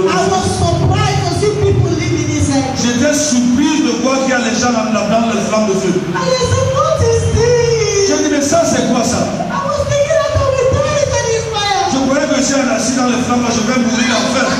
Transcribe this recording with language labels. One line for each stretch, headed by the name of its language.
English: l'eau, I was surprised to see people living in this.
French: J'étais surpris de voir qu'il y a les gens dans les flammes de feu.
English: I said, what is this?
French: J'ai dit, mais ça, c'est quoi ça?
English: I was thinking that I would die in this fire.
French: Je croyais que si on assis dans les flammes, je vais mourir en feu.